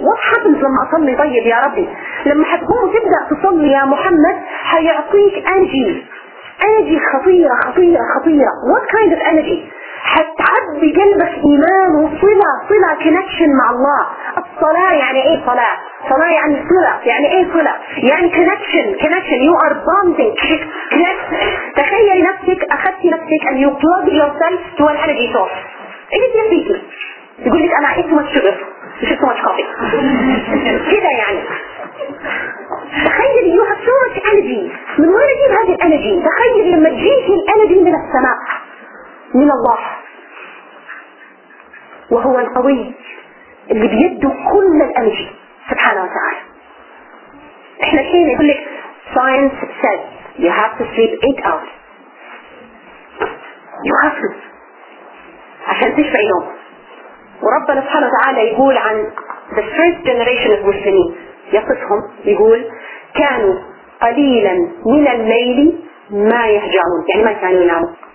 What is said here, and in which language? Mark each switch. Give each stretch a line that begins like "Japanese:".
English: What happens
Arabic: لما أصلي؟ طيب يا ربي لما حتقوم تبدأ تصلي يا محمد حيعطيك energy خطيرة.
English: What kind of energy؟
Arabic: حتعبي قلبك إيمان وصلة connection مع الله. الصلاة يعني إيه صلاة؟ صلاة يعني صلة. يعني إيه صلة؟ يعني connection.
English: You are bonding.
Arabic: تخيل نفسك أخذت نفسك
English: and you plug yourself to an energy source.
Arabic: إيه يا بيتي؟ يقول لك أنا إيه
English: too much sugar. إيه too much coffee.
Arabic: كده يعني. تخيل
English: you have so much energy.
Arabic: من وين أجيب هذه الانرجي؟ تخيل لما تجيك الانرجي من السماء من الله وهو القوي اللي بيده كل الانرجي سبحانه وتعالى. احنا الحين يقول لك
English: science says you have to sleep 8 hours. You have to
Arabic: عشان تشفي نوم. وربنا سبحانه وتعالى يقول عن
English: the first generation of Muslims
Arabic: يقصهم يقول كانوا قليلا من الليل ما يهجعون. يعني ما كانوا يناموا.